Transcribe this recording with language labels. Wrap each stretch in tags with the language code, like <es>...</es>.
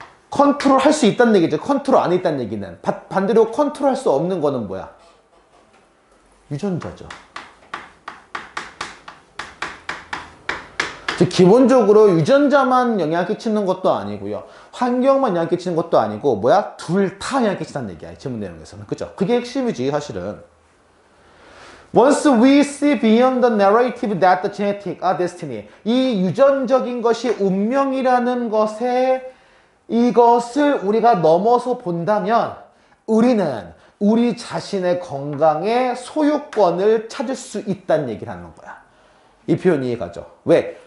<ko>컨트롤 할수 있다는 얘기죠. 컨트롤 안 있다는 얘기는. 반대로 컨트롤 할수 없는 거는 뭐야? 유전자죠. 기본적으로 유전자만 영향 끼치는 것도 아니고요. 환경만 영향 끼치는 것도 아니고, 뭐야? 둘다 영향 끼친다는 얘기야. 질문 내용에서는. 그죠? 그게 핵심이지, 사실은.</ko> <en>Once we see beyond the narrative that the genetic are destiny.</en> <ko>이 유전적인 것이 운명이라는 것에 이것을 우리가 넘어서 본다면, 우리는 우리 자신의 건강에 소유권을 찾을 수 있다는 얘기를 하는 거야. 이 표현 이해가죠? 왜?</ko>